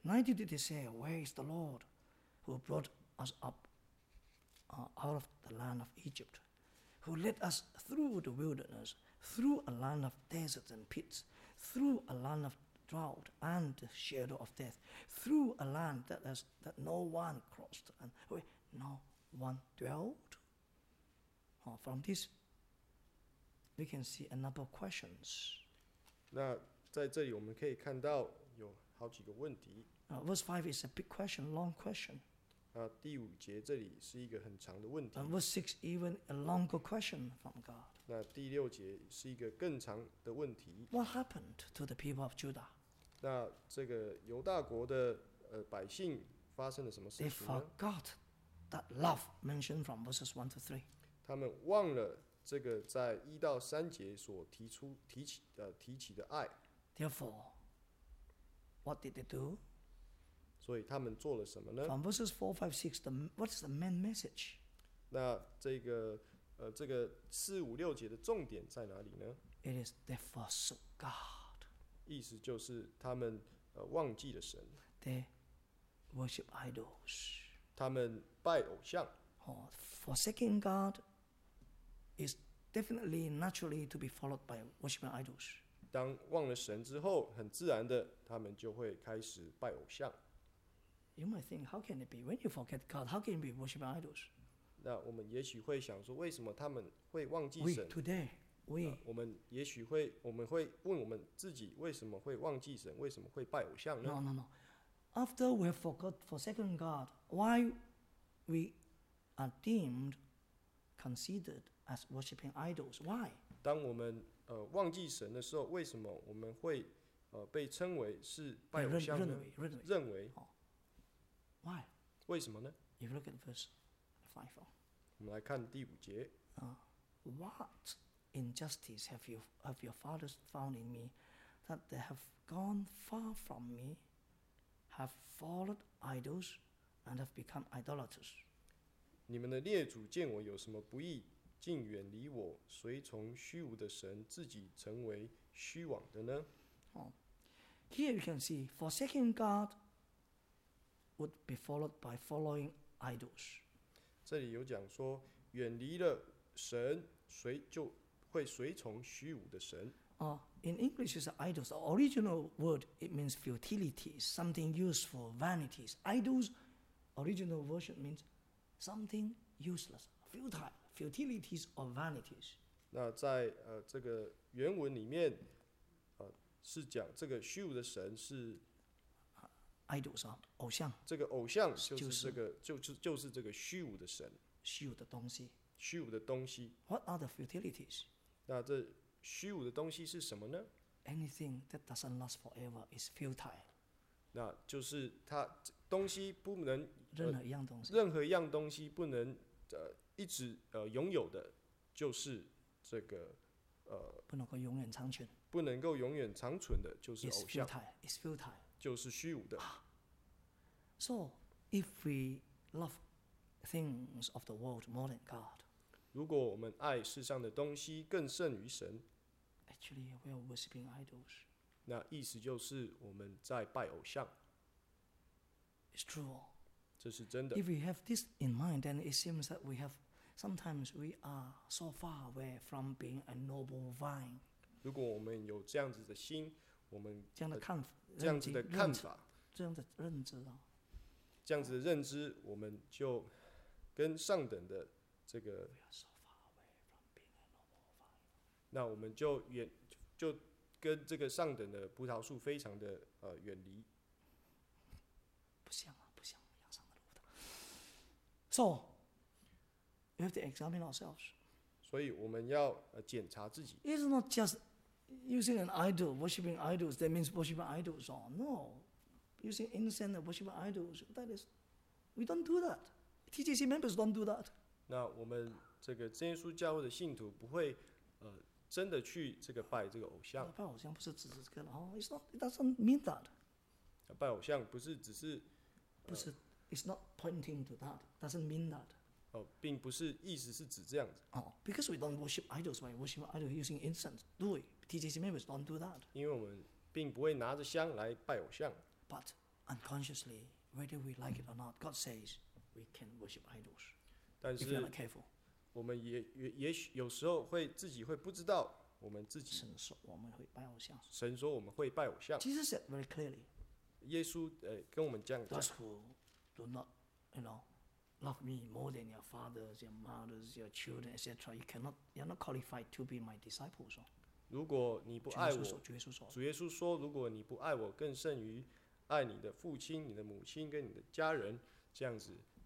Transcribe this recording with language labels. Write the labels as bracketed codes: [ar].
[en] Neither did they say, Where is the Lord who brought us up out of the land of Egypt, who led us through the wilderness, through a land of deserts and pits, through a land of drought and the shadow of death, through a land that no one crossed and where no one dwelt? From this, we can see a number of questions. [zh] 那在这里我们可以看到有好几个问题。 [en] Verse 5 is a big question, long question. [zh] 第五节这里是一个很长的问题。 [en] Verse 6 even a longer question from God. [zh] 那第六节是一个更长的问题。 [en] What happened to the people of Judah? [zh] 那这个犹大国的百姓发生了什么事情呢? [en] They forgot that love mentioned from verses 1 to 3. [zh] 他们忘了这个在一到三节所提起的爱。 [en] Therefore,What did they do? [zh] 所以他们做了什么呢? [en] From verses 4, 5, 6, what is the main message? [zh] 那这个四五六节的重点在哪里呢? [en] It is they forsook God. [zh] 意思就是他们忘记了神。 [en] They worship idols. [zh] 他们拜偶像。 [en] Forsaking God is definitely naturally to be followed by worshiping idols. [zh] 当忘了神之后，很自然的，他们就会开始拜偶像。 [en] You might think, how can it be? When you forget God, how can you be worshiping idols? [zh] 那我们也许会想说，为什么他们会忘记神 [en] ？Today, [zh] 我们也许会，我们会问我们自己，为什么会忘记神？为什么会拜偶像呢 [en] ？No. After we have forgotten God, why we are deemed considered as worshipping idols. Why? [zh] 当我们忘记神的时候，为什么我们会被称为是拜偶像呢？认为、 [en] oh. Why? [zh] 为什么呢？ [en] If you look at verse 5, [zh] 我们来看第五节。 [en] What injustice have your fathers found in me, that they have gone far from me, have followed idols, and have become idolaters? [zh] 你们的列祖见我有什么不义，竟远离我，随从虚无的神，自己成为虚妄的呢？ [en] Here you can see, forsaking God would be followed by following idols. [zh] 这里有讲说，远离了神，随就会随从虚无的神。 [en] In English is idols. The original word it means futility, something useful, vanities. Idols, original version means something useless, futile, futilities or vanities. [zh] 那在这个原文里面，是讲这个虚无的神是 idols 啊，偶像。这个偶像就是这个就是这个虚无的神，虚无的东西。虚无的东西。 [en] What are the futilities? [zh] 那这虚无的东西是什么呢？ Anything that doesn't last forever is futile. 那就是它东西不能任何一样东西，任何一样东西不能一直拥有的，就是这个不能够永远长存，不能够永远长存的就是偶像。 [en] It's futile. [zh] 就是虚无的。 [en] So if we love things of the world more than God. [zh] 如果我们爱世上的东西更胜于神， [en] actually we are worshipping idols. [zh] 那意思就是我们在拜偶像。 [en] It's true. [zh] 这是真的。 [en] If we have this in mind, then it seems that we have sometimes we are so far away from being a noble vine. [zh] 如果我们有这样子的心，我们这样的看法，这样子的看法，这样的认知啊，这样子的认知，我们就跟上等的这个，那我们就远，就跟这个上等的葡萄树非常的远离。不像啊，不像养上的葡萄。 [en] So, we have to examine ourselves. [zh] 所以我们要检查自己。 [en] It's not just using an idol, worshipping idols. That means worshipping idols. Or no, using incense and worshipping idols. That is, we don't do that. TGC members don't do that. [zh] 那我们这个真耶稣教会的信徒不会真的去这个拜这个偶像。拜偶像不是只是这个了哦。 [en] It's not, it doesn't mean that. [zh] 拜偶像不是只是不是 [en] it's not pointing to that. Doesn't mean that. [zh] 并不是意思是指这样子。 [en] Because we don't worship idols, we worship idols using incense. Do we? TGC members don't do that. [zh] 因为我们并不会拿着香来拜偶像。 [en] But unconsciously, whether we like it or not, God says,We can worship idols. [zh] 但是 [en] if you're not careful, [zh] 我们 也许有时候会自己会不知道我们自己。神说我们会拜偶像。神说我们会拜偶像。 [en] Jesus said very clearly. [zh] 耶稣跟我们这样讲。 [en] Those who do not, you know, love me more than your fathers, your mothers, your children, etc., you cannot, you're not qualified to be my disciples. [zh] 如果你不爱我，主耶稣说，主耶稣说，如果你不爱我更胜于爱你的父亲、你的母亲跟你的家人，这样子。